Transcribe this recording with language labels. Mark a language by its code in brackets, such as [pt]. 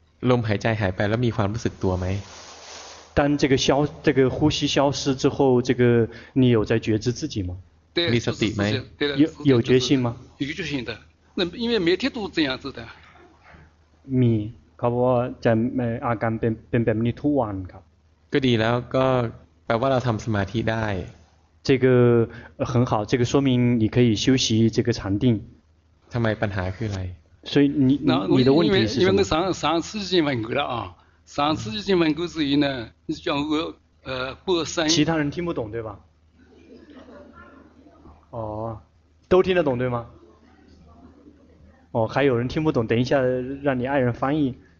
[th] ลมหายใจหายไปแล้วมีความรู้สึกตัวไหม [zh] 当这个消这个呼吸消失之后这个你有在觉知自己吗 [th] มีสติไหม [zh] 有觉性吗有觉性的那因为每天都这样子的 [th] มีเขาบอกว่าจะอาการเป็นแบบนี้ทุกวันครับ ก็ดีแล้วก็แปลว่าเราทำสมาธิได้ [zh] 这个很好这个说明你可以休息这个禅定 [th] ทำไมปัญหาคืออะไร [zh] 所以你的问题是什么因为上次已经问过了啊上次已经问过之后呢你讲过过三其他人听不懂对吧哦都听得懂对吗哦，还有人听不懂，等一下让你爱人翻译。